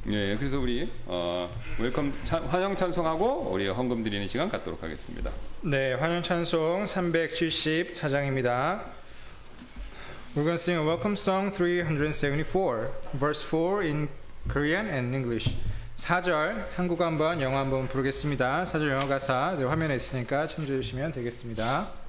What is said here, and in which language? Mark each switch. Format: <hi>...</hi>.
<ko>예, 그래서 우리 웰컴 환영 찬송하고 우리 헌금 드리는 시간 갖도록 하겠습니다. 네, 환영 찬송 374장입니다.</ko> <en>We're gonna sing a welcome song 374, verse 4 in Korean and English.</en> <ko>4절 한국어 한번 영어 한번 부르겠습니다. 4절 영어 가사 이제 화면에 있으니까 참조해 주시면 되겠습니다.</ko>